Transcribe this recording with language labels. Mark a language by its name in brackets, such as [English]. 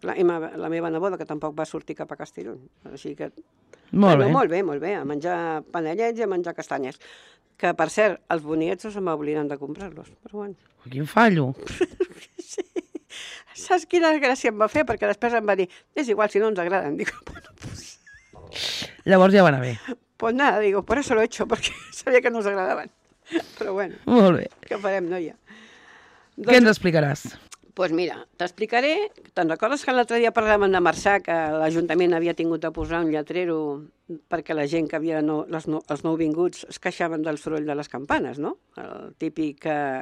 [Catalan] Clar, i la meva neboda, que tampoc va sortir cap a Castellón. Així que... Molt bé. Molt bé, molt bé. A menjar panellets i a menjar castanyes. Que, per cert, els boniets se'm va oblidant de comprar-los. Però bueno. Quin fallo. Sí. Saps quina gràcia em va fer? Perquè després em va dir, és igual, si no ens agraden. Dic, bueno, pues... Llavors ja va anar bé. [Spanish] Pues nada, digo, por eso lo he hecho, porque sabía que [Catalan] no ens agradaven. Però bueno, molt bé. Què farem, noia? Doncs, què ens explicaràs? Pues mira, t'explicaré, te'n recordes que l'altre dia parlàvem de Marçà, que l'Ajuntament havia tingut de posar un lletrero perquè la gent que havia, no, les no, els nouvinguts, es queixaven del soroll de les campanes, no? El típic que...